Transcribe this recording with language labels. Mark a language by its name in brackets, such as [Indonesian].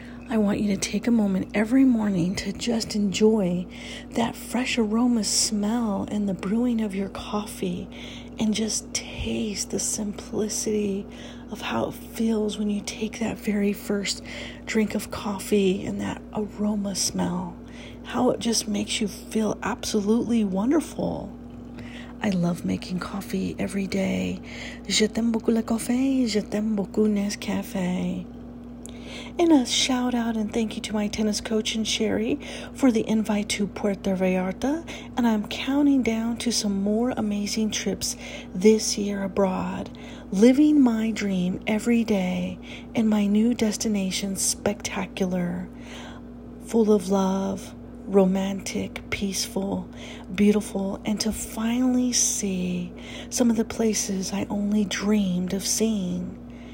[English] I want you to take a moment every morning to just enjoy that fresh aroma smell and the brewing of your coffee, and just taste the simplicity of how it feels when you take that very first drink of coffee and that aroma smell, how it just makes you feel absolutely wonderful. I love making coffee every day. [French] Je t'aime beaucoup le café, je t'aime beaucoup Nescafé. [English] And a shout out and thank you to my tennis coach and Sherry for the invite to Puerto Vallarta. And I'm counting down to some more amazing trips this year abroad, living my dream every day in my new destination, spectacular, full of love, romantic, peaceful, beautiful, and to finally see some of the places I only dreamed of seeing.